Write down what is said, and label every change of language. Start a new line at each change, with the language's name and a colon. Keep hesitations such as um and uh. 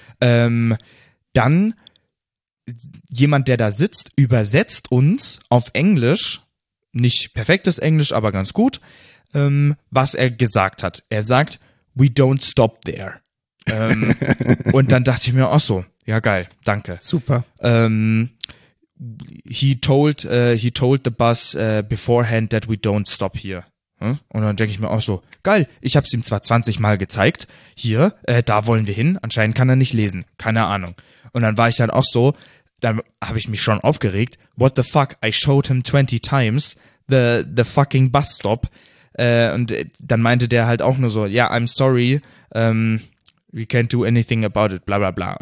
German: ähm, dann jemand, der da sitzt, übersetzt uns auf Englisch, nicht perfektes Englisch, aber ganz gut, ähm, was er gesagt hat. Er sagt,
English: we don't stop there.
German: Ähm, und dann dachte ich mir, ach so, ja geil, danke. Super.
English: Um, he told uh, he told the bus uh, beforehand that we don't stop here. Hm?
German: Und dann denke ich mir auch so, geil, ich habe es ihm zwar 20 Mal gezeigt, hier, äh, da wollen wir hin, anscheinend kann er nicht lesen, keine Ahnung. Und dann war ich dann auch so, dann habe ich mich schon aufgeregt,
English: what the fuck, I showed him 20 times the, the fucking bus stop.
German: Äh, und äh, dann meinte der halt auch nur so, ja,
English: I'm sorry, ähm, we can't do anything about it,
German: bla bla bla.